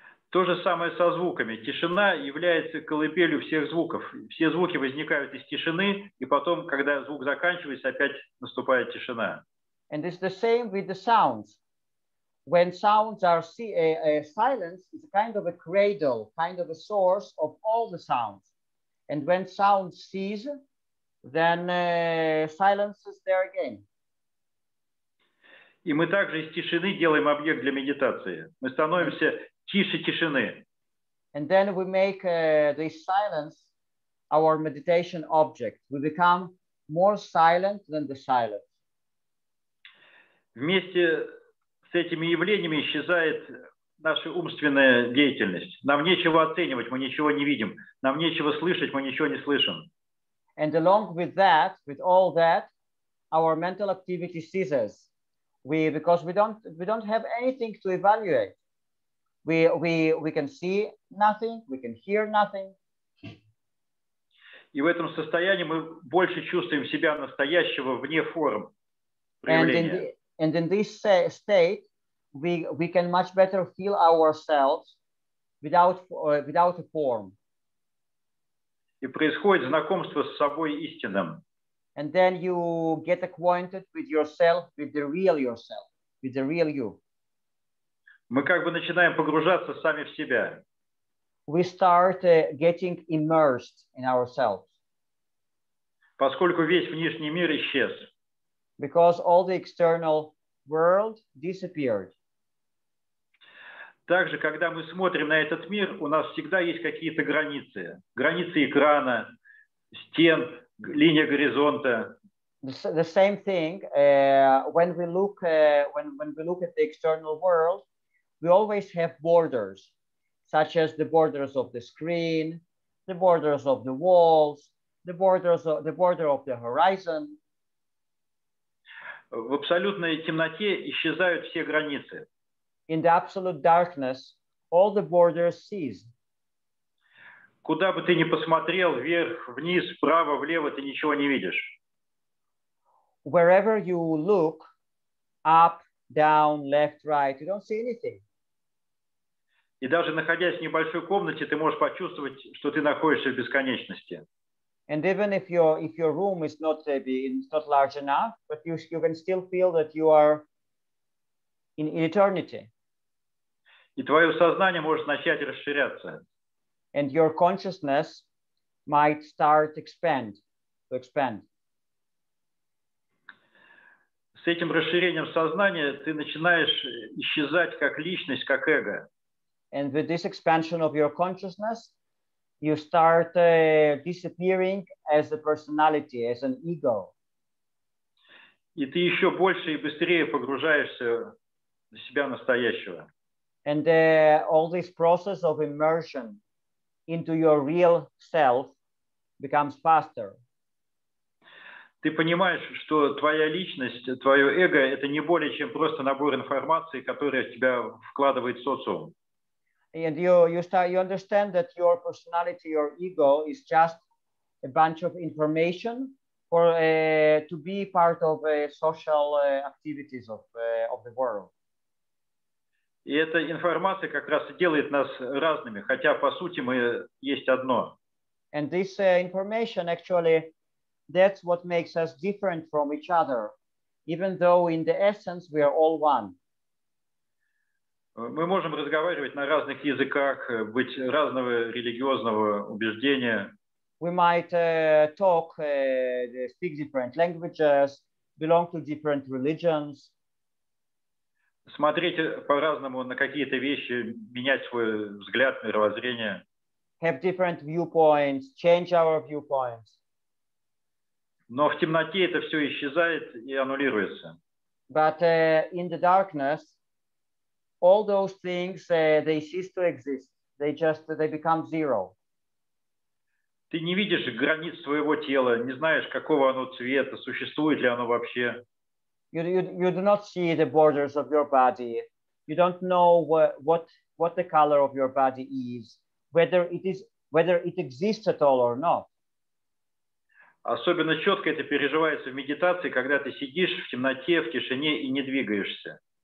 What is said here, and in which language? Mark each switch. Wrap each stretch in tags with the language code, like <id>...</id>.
<ru>То же самое со звуками. Тишина является колыбелью всех звуков. Все звуки возникают из тишины, и потом, когда звук заканчивается, опять наступает тишина.</ru> <en>And it's the same with the sounds. when sounds are silenced, it's kind of a cradle, kind of a source of all the sounds. And when sounds cease, then silence is there again.</en> <ru>И мы также из тишины делаем объект для медитации. Мы становимся тише тишины.</ru> <en>And then we make this silence our meditation object. We become more silent than the silence.</en> <ru>Вместе с этими явлениями исчезает наша умственная деятельность. Нам нечего оценивать, мы ничего не видим. Нам нечего слышать, мы ничего не слышим.</ru> <en>And along with that, with all that, our mental activity ceases. We, because we don't have anything to evaluate. We can see nothing, we can hear nothing.</en> <ru>И в этом состоянии мы больше чувствуем себя настоящего вне форм проявления.</ru> <en>And in this state, we can much better feel ourselves without a form.</en> <ru>И происходит знакомство с собой истинным.</ru> <en>And then you get acquainted with yourself, with the real yourself, with the real you.</en> <ru>Мы как бы начинаем погружаться сами в себя.</ru> <en>We start getting immersed in ourselves.</en> <ru>Поскольку весь внешний мир исчез.</ru> <en>Because all the external world disappeared.</en> <ru>Также, когда мы смотрим на этот мир, у нас всегда есть какие-то границы. Границы экрана, стен, линия горизонта.</ru> <en>The same thing, when we look at the external world, we always have borders, such as the borders of the screen, the borders of the walls, the border of the horizon.</en> <ru>В абсолютной темноте исчезают все границы.</ru> <en>In the absolute darkness, all the borders cease.</en> <ru>Куда бы ты ни посмотрел, вверх, вниз, вправо, влево, ты ничего не видишь.</ru> <en>Wherever you look, up, down, left, right, you don't see anything.</en> <ru>И даже находясь в небольшой комнате, ты можешь почувствовать, что ты находишься в бесконечности.</ru> <en>And even if your room is not large enough, but you can still feel that you are in eternity.</en> <ru>И твое сознание может начать расширяться.</ru> <en>And your consciousness might start to expand.</en> <ru>С этим расширением сознания ты начинаешь исчезать как личность, как эго.</ru> <en>And with this expansion of your consciousness, you start disappearing as a personality, as an ego.</en> <ru>И ты еще больше и быстрее погружаешься в себя настоящего.</ru> <en>And all this process of immersion into your real self becomes faster.</en> <ru>Ты понимаешь, что твоя личность, твое эго – это не более чем просто набор информации, которая в тебя вкладывает социум.</ru> <en>And you understand that your personality, your ego, is just a bunch of information for to be part of social activities of the world.</en> <ru>И эта информация как раз и делает нас разными, хотя по сути мы есть одно.</ru> <en>And this information actually, that's what makes us different from each other, even though in the essence we are all one.</en> <ru>Мы можем разговаривать на разных языках, быть разного религиозного убеждения.</ru> <en>We might talk, speak different languages, belong to different religions.</en> <ru>Смотреть по-разному на какие-то вещи, менять свой взгляд, мировоззрение.</ru> <en>Have different viewpoints, change our viewpoints.</en> <ru>Но в темноте это все исчезает и аннулируется.</ru> <en>But in the darkness, all those things, they cease to exist. They become zero.</en> <ru>Ты не видишь границ своего тела, не знаешь, какого оно цвета, существует ли оно вообще.</ru> <en>You do not see the borders of your body. You don't know what the color of your body is, whether it exists at all or not.</en> <ru>Особенно четко это переживается в медитации, когда ты сидишь в темноте, в тишине и не двигаешься.</ru>